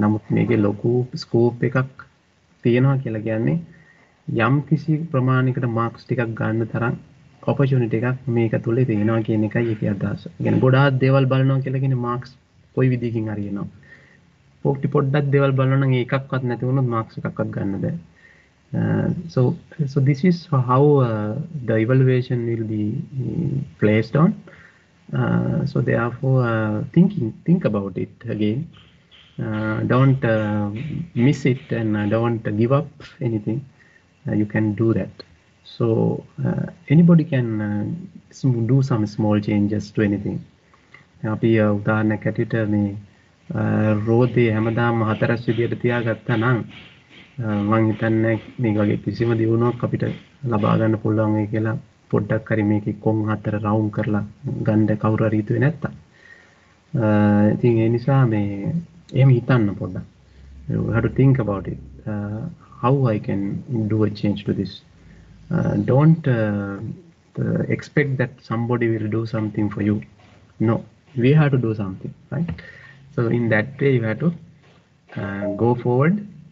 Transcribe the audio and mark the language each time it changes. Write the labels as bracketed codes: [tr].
[si] නමුත් මේකේ ලොකු ස්කෝප් එකක් තියෙනවා කියලා කියන්නේ යම් කිසි ප්‍රමාණයකට මාක්ස් ටිකක් ගන්න තරම් ඔපචුනිටි එකක් මේක තුලේ තියෙනවා කියන එකයි ඒකේ අදහස. يعني ගොඩාක් දේවල් බලනවා කියලා කියන්නේ මාක්ස් කොයි විදිහකින් හරි එනවා. පොඩි පොඩ්ඩක් දේවල් බලනවා නම් එකක්වත් නැති වුණොත් මාක්ස් එකක්වත් ගන්න බෑ. [en] So this is how the evaluation will be placed on. So therefore, think about it again. Don't miss it and don't give up anything. You can do that. So anybody can do some small changes to anything. [si] අපි උදාහරණයක් ඇටිට මේ රෝදේ හැමදාම හතරස් විදියට තියාගත්තා නම් මම හිතන්නේ මේ වගේ කිසිම දිනුවක් අපිට ලබා ගන්න පුළුවන් වෙයි කියලා. පොඩ්ඩක් හරි මේක කොන් හතර රවුම් කරලා ගන්න කවුරු හරි හිතුවේ නැත්තම්. ඉතින් ඒ නිසා මේ එහෙම හිතන්න පොඩ්ඩක්. [en] You have to think about it. How I can do a change to this. Don't expect that somebody will do something for you. No. We have to do something, right? So in that way you have to go forward.